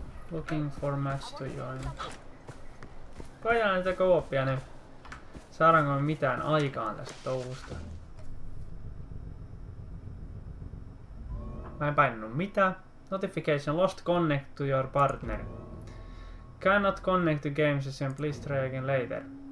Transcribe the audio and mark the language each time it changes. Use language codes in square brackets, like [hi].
[en] Looking for match to join. [fi] Koitetaan niitä co-opia nyt. Saadaanko me mitään aikaan tästä touhusta? Mä en painanut mitään. [en] Notification lost connect to your partner. Cannot connect to game session, please try again later.